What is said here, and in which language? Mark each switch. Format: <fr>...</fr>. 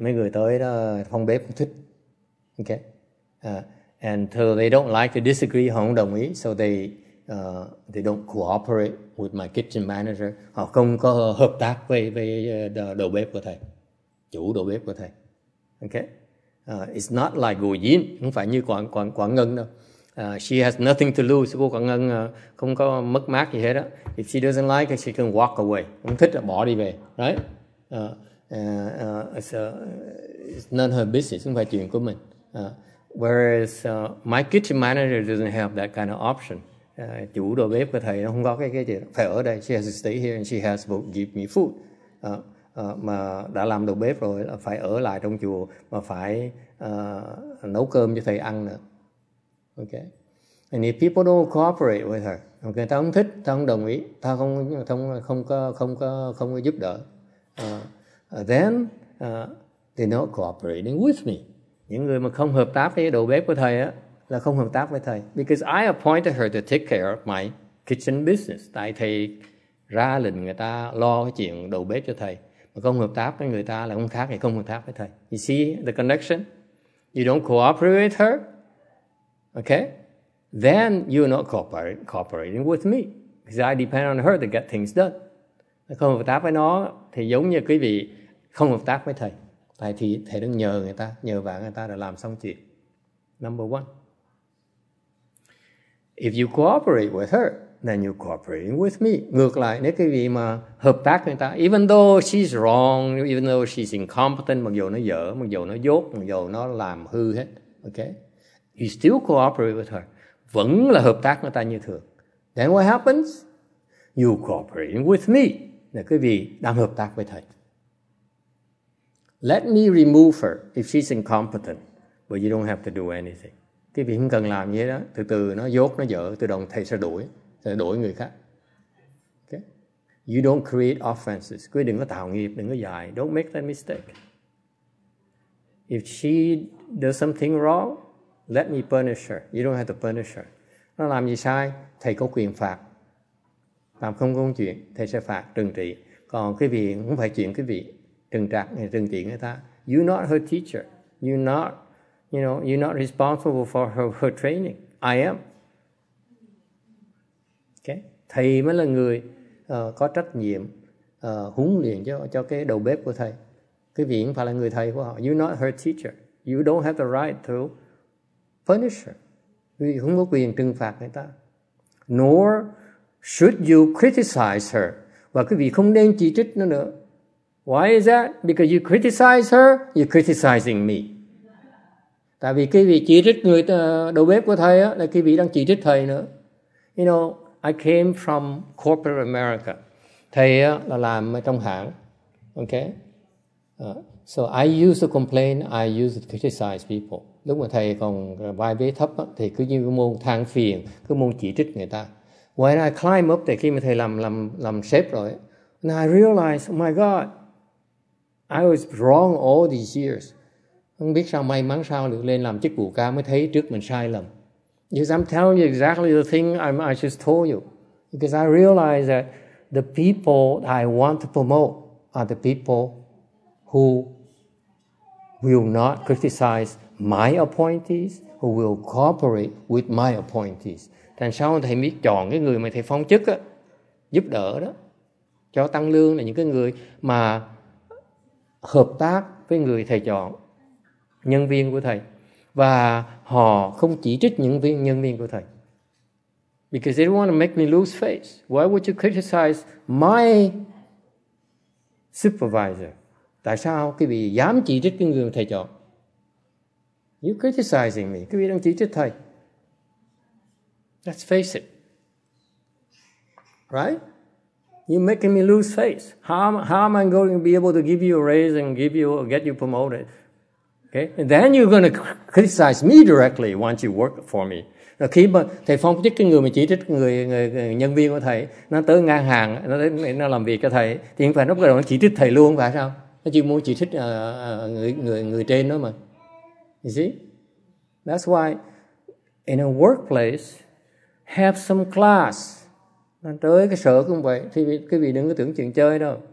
<vi>Mấy người tới đó phong bếp không thích.</vi> <en>Okay. And so they don't like to disagree,</en> <vi>không đồng ý,</vi> <en>so they don't cooperate with my kitchen manager.</en> <vi>Họ không có hợp tác với đầu bếp của thầy, chủ đầu bếp của thầy.</vi> <en>Okay, it's not like Gu Yin,</en> <vi>không phải như Quảng Ngân đâu.</vi> <en>She has nothing to lose.</en> <vi>Cô Quảng Ngân không có mất mát gì hết á.</vi> <en>If she doesn't like it, she can walk away.</en> <vi>Không thích là bỏ đi về,</vi> <en>right? It's not her business.</en> <vi>Không phải chuyện của mình.</vi> <en>Whereas my kitchen manager doesn't have that kind of option.</en> <vi>Chủ đầu bếp của thầy nó không có cái gì đó. Phải ở đây.</vi> <en>She has to stay here and she has to give me food.</en> <vi>Mà đã làm đầu bếp rồi là phải ở lại trong chùa mà phải nấu cơm cho thầy ăn nữa.</vi> <en>Okay. And if people don't cooperate with her,</en> <vi>okay, ta không thích, ta không đồng ý, ta không có giúp đỡ.</vi> <en>They're not cooperating with me.</en> <vi>Những người mà không hợp tác với đầu bếp của thầy á, là không hợp tác với thầy. Because I appointed her to take care of my kitchen business. Tại thầy ra lệnh người ta lo cái chuyện đầu bếp cho thầy. Mà không hợp tác với người ta là không khác thì không hợp tác với thầy.</vi> <en>You see the connection? You don't cooperate with her? Okay? Then you're not cooperating with me. Because I depend on her to get things done.</en> <vi>Không hợp tác với nó thì giống như quý vị không hợp tác với thầy. Tại thì thầy đang nhờ người ta, nhờ vả người ta để làm xong chuyện.</vi> <en>Number one. If you cooperate with her, then you're cooperating with me.</en> <vi>Ngược lại, nếu quý vị mà hợp tác người ta,</vi> <en>even though she's wrong, even though she's incompetent,</en> <vi>mặc dù nó dở, mặc dù nó dốt, mặc dù nó làm hư hết, okay?</vi> <en>You still cooperate with her.</en> <vi>Vẫn là hợp tác người ta như thường.</vi> <en>Then what happens? You're cooperating with me.</en> <vi>Nếu quý vị đang hợp tác với thầy.</vi> <en>Let me remove her if she's incompetent, but you don't have to do anything.</en> <vi>Quý vị không cần làm gì đó. Từ từ nó dốt, nó dở, tự động thầy sẽ đuổi. Đổi người khác. Okay.</vi> <en>You don't create offenses.</en> <vi>Quý đừng có tạo nghiệp, đừng có dài.</vi> <en>Don't make that mistake. If she does something wrong, let me punish her. You don't have to punish her.</en> <vi>Nó làm gì sai, thầy có quyền phạt. Làm không công chuyện, thầy sẽ phạt, trừng trị. Còn quý vị không phải chuyện quý vị trừng trạc, trừng trị người ta.</vi> <en>You're not her teacher. You're not responsible for her training. I am.</en> <vi>Thầy mới là người có trách nhiệm huấn luyện cho cái đầu bếp của thầy. Quý vị không phải là người thầy của họ.</vi> <en>You're not her teacher. You don't have the right to punish her.</en> <vi>Quý vị không có quyền trừng phạt người ta.</vi> <en>Nor should you criticize her.</en> <vi>Và quý vị không nên chỉ trích nó nữa.</vi> <en>Why is that? Because you criticize her, you're criticizing me.</en> <vi>Tại vì quý vị chỉ trích người đầu bếp của thầy á, là quý vị đang chỉ trích thầy nữa.</vi> <en>You know, I came from corporate America.</en> <vi>Thầy là làm trong hãng. Okay?</vi> <en>So I used to complain, I used to criticize people.</en> <vi>Lúc mà thầy còn vai vế thấp thì cứ như môn than phiền, cứ môn chỉ trích người ta.</vi> <en>When I climb up,</en> <vi>thì khi mà thầy làm sếp rồi,</vi> <en>and I realized, oh my God, I was wrong all these years.</en> <vi>Không biết sao may mắn sao được lên làm chức vụ cao mới thấy trước mình sai lầm.</vi> <en>Because I'm telling you exactly the thing I just told you. Because I realize that the people I want to promote are the people who will not criticize my appointees, who will cooperate with my appointees.</en> <vi>Thành sao thầy biết chọn cái người mà thầy phong chức á, giúp đỡ đó, cho tăng lương là những cái người mà hợp tác với người thầy chọn, nhân viên của thầy. Và họ không chỉ trích những viên nhân viên của thầy.</vi> <en>Because they don't want to make me lose face. Why would you criticize my supervisor?</en> <vi>Tại sao quý vị dám chỉ trích cái người thầy chọn?</vi> <en>You're criticizing me.</en> <vi>Quý vị đang chỉ trích thầy.</vi> <en>Let's face it. Right? You're making me lose face. How am I going to be able to give you a raise and get you promoted? Okay. And then you're going to criticize me directly once you work for me.</en> <vi>Rồi khi mà thầy phong chức cái người mà chỉ trích người nhân viên của thầy, nó tới ngang hàng, nó làm việc cho thầy, thì không phải nó bắt đầu chỉ trích thầy luôn, phải sao? Nó chỉ muốn chỉ trích người trên đó mà.</vi> <en>You see? That's why in a workplace, have some class.</en> <vi>Nó tới cái sở cũng vậy, thì quý vị đừng có tưởng chuyện chơi đâu.</vi>